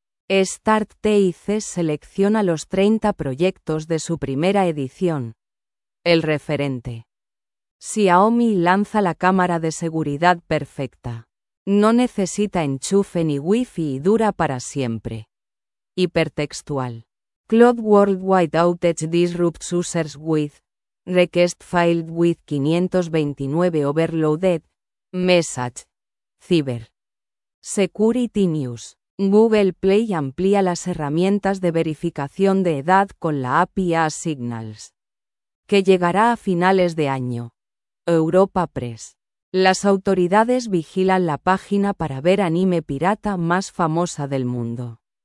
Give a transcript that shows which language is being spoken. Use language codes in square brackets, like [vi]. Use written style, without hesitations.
[es] Start TIC selecciona los 30 proyectos de su primera edición. El referente. Xiaomi lanza la cámara de seguridad perfecta. No necesita enchufe ni wifi y dura para siempre. Hipertextual. [en] Cloud Worldwide Outage disrupts users with request filed with 529 overloaded message. Cyber. Security News. [es] Google Play amplía las herramientas de verificación de edad con la API Signals, que llegará a finales de año. Europa Press. Las autoridades vigilan la página para ver anime pirata más famosa del mundo.